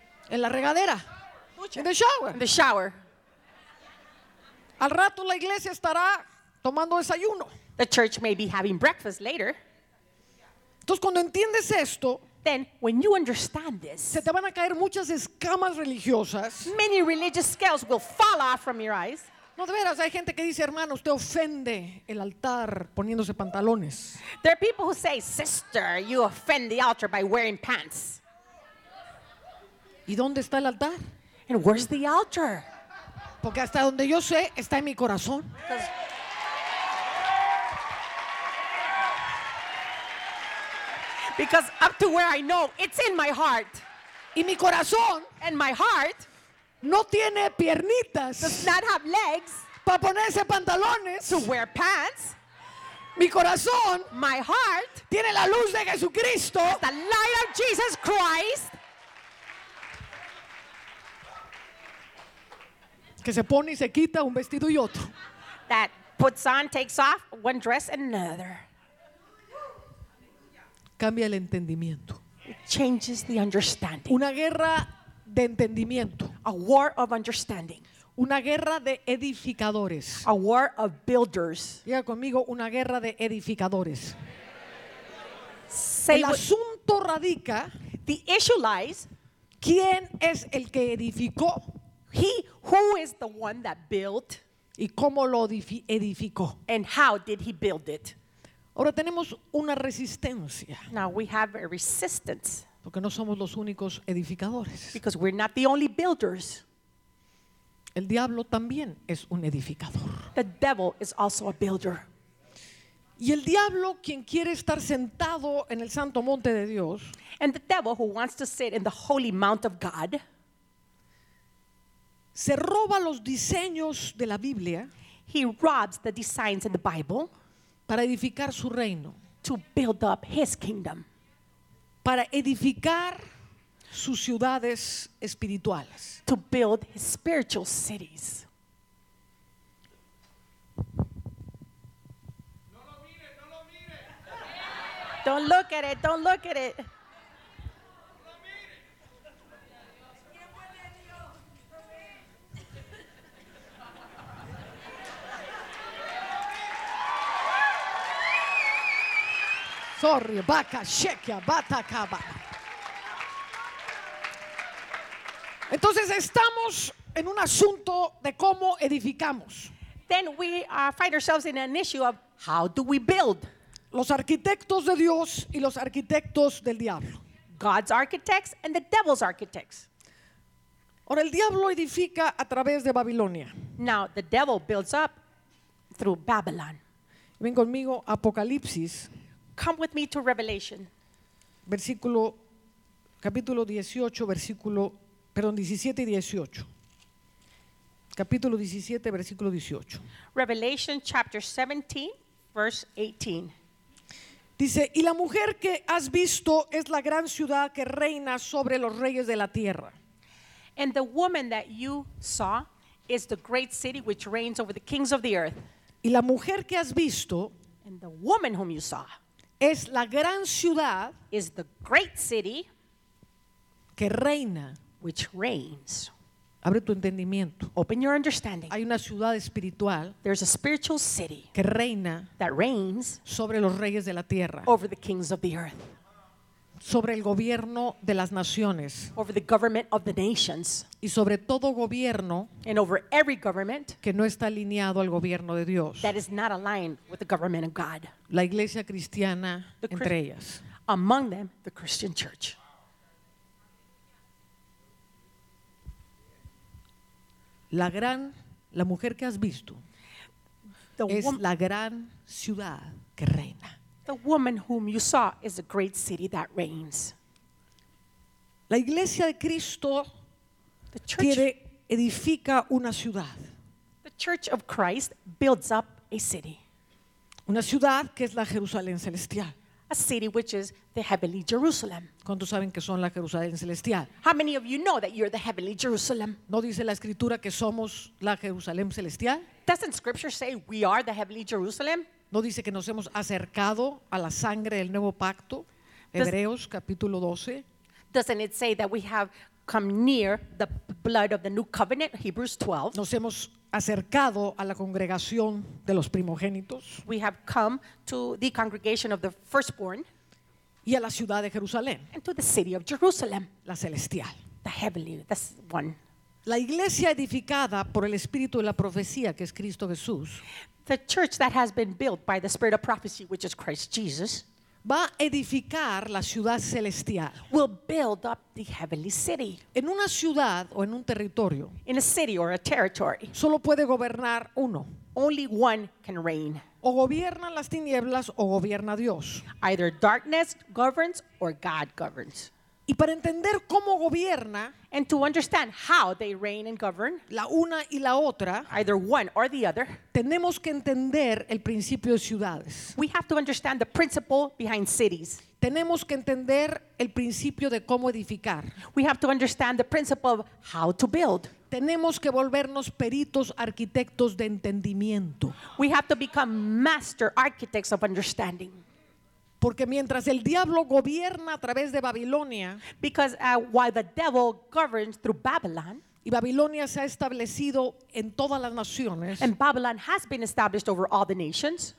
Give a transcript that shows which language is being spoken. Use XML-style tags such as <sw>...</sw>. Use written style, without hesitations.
<es>en la regadera.</es> <en>In the shower. In the shower.</en> <es>Al rato la iglesia estará tomando desayuno.</es> <en>The church may be having breakfast later.</en> <es>Entonces cuando entiendes esto,</es> <en>then when you understand this,</en> <es>se te van a caer muchas escamas religiosas.</es> <en>Many religious scales will fall off from your eyes.</en> <es>No, de veras, hay gente que dice, hermano, usted ofende el altar poniéndose pantalones.</es> <en>There are people who say, sister, you offend the altar by wearing pants.</en> <es>¿Y dónde está el altar?</es> <en>And where's the altar?</en> <es>Porque hasta donde yo sé, está en mi corazón.</es> <en>Because up to where I know, it's in my heart.</en> <es>Y mi corazón.</es> <en>And my heart.</en> <es>No tiene piernitas.</es> <en>Does not have legs.</en> <es>Para ponerse pantalones.</es> <en>To wear pants.</en> <es>Mi corazón.</es> <en>My heart.</en> <es>Tiene la luz de Jesucristo.</es> <en>The light of Jesus Christ.</en> <es>Que se pone y se quita un vestido y otro.</es> <en>That puts on, takes off one dress and another.</en> <es>Cambia el entendimiento.</es> <en>It changes the understanding.</en> <es>Una guerra de entendimiento.</es> <en>A war of understanding.</en> <es>Una guerra de edificadores.</es> <en>A war of builders.</en> <es>Diga conmigo, una guerra de edificadores.</es> <en>Say</en> <es>el asunto</es> <en>what,</en> <es>radica.</es> <en>The issue lies.</en> <es>¿Quién es el que edificó?</es> <en>He who is the one that built.</en> <es>¿Y cómo lo edificó?</es> <en>And how did he build it?</en> <es>Ahora tenemos una resistencia.</es> <en>Now we have a resistance.</en> <es>Porque no somos los únicos edificadores.</es> <en>Because we're not the only builders.</en> <es>El diablo también es un edificador.</es> <en>The devil is also a builder.</en> <es>Y el diablo, quien quiere estar sentado en el santo monte de Dios,</es> <en>and the devil who wants to sit in the holy mount of God,</en> <es>se roba los diseños de la Biblia.</es> <en>He robs the designs in the Bible.</en> <es>Para edificar su reino.</es> <en>To build up his kingdom.</en> <es>Para edificar sus ciudades espirituales.</es> <en>To build his spiritual cities.</en> <es>No lo mire, no lo mire.</es> <en>Don't look at it, don't look at it. Sorry, baka, shekia, bata, kaba.</en> <es>Entonces estamos en un asunto de cómo edificamos.</es> <en>Then we find ourselves in an issue of how do we build?</en> <es>Los arquitectos de Dios y los arquitectos del diablo.</es> <en>God's architects and the devil's architects.</en> <es>Ahora el diablo edifica a través de Babilonia.</es> <en>Now the devil builds up through Babylon.</en> <es>Ven conmigo a Apocalipsis.</es> <en>Come with me to Revelation.</en> <es>Versículo, capítulo 18, versículo, perdón, 17 y 18. Capítulo 17, versículo 18.</es> <en>Revelation chapter 17, verse 18.</en> <es>Dice, y la mujer que has visto es la gran ciudad que reina sobre los reyes de la tierra.</es> <en>And the woman that you saw is the great city which reigns over the kings of the earth.</en> <es>Y la mujer que has visto,</es> <en>and the woman whom you saw,</en> <es>es la gran ciudad,</es> <en>is the great city,</en> <es>que reina,</es> <en>which reigns.</en> <es>Abre tu entendimiento.</es> <en>Open your understanding.</en> <es>Hay una ciudad espiritual,</es> <en>there's a spiritual city,</en> <es>que reina,</es> <en>that reigns,</en> <es>sobre los reyes de la tierra,</es> <en>over the kings of the earth,</en> <es>sobre el gobierno de las naciones,</es> <en>over the government of the nations,</en> <es>y sobre todo gobierno,</es> <en>and over every government,</en> <es>que no está alineado al gobierno de Dios,</es> <en>that is not aligned with the government of God,</en> <es>la iglesia cristiana entre ellas,</es> <en>among them the Christian church.</en> <es>La gran, la mujer que has visto, es la gran ciudad que reina.</es> <en>The woman whom you saw is a great city that reigns.</en> <es>La iglesia de Cristo</es> <en>the church,</en> <es>tiene edifica una ciudad.</es> <en>The Church of Christ builds up a city.</en> <es>Una ciudad que es la Jerusalén celestial.</es> <en>A city which is the heavenly Jerusalem.</en> <es>¿Cuántos saben que son la Jerusalén celestial?</es> <en>How many of you know that you're the heavenly Jerusalem?</en> <es>¿No dice la escritura que somos la Jerusalén celestial?</es> <en>Doesn't scripture say we are the heavenly Jerusalem?</en> <es>¿No dice que nos hemos acercado a la sangre del nuevo pacto? Hebreos capítulo 12.</es> <en>Doesn't it say that we have come near the blood of the new covenant? Hebrews 12.</en> <es>Nos hemos acercado a la congregación de los primogénitos.</es> <en>We have come to the congregation of the firstborn.</en> <es>Y a la ciudad de Jerusalén.</es> <en>And to the city of Jerusalem.</en> <es>La celestial.</es> <en>The heavenly, the one.</en> <es>La iglesia edificada por el espíritu de la profecía, que es Cristo Jesús.</es> <en>The church that has been built by the spirit of prophecy, which is Christ Jesus.</en> <es>Va a edificar la ciudad celestial.</es> <en>Will build up the heavenly city.</en> <es>En una ciudad o en un territorio.</es> <en>In a city or a territory.</en> <es>Solo puede gobernar uno.</es> <en>Only one can reign.</en> <es>O gobiernan las tinieblas o gobierna Dios.</es> <en>Either darkness governs or God governs.</en> <es>Y para entender cómo gobierna.</es> <en>And to understand how they reign and govern.</en> <es>La una y la otra.</es> <en>Either one or the other.</en> <es>Tenemos que entender el principio de ciudades.</es> <en>We have to understand the principle behind cities.</en> <es>Tenemos que entender el principio de cómo edificar.</es> <en>We have to understand the principle of how to build.</en> <es>Tenemos que volvernos peritos arquitectos de entendimiento.</es> <en>We have to become master architects of understanding.</en> <es>Porque mientras el diablo gobierna a través de Babilonia,</es> <en>because while the devil governs through Babylon,</en> <es>y Babilonia se ha establecido en todas las naciones,</es> <en>and Babylon has been established over all the nations,</en>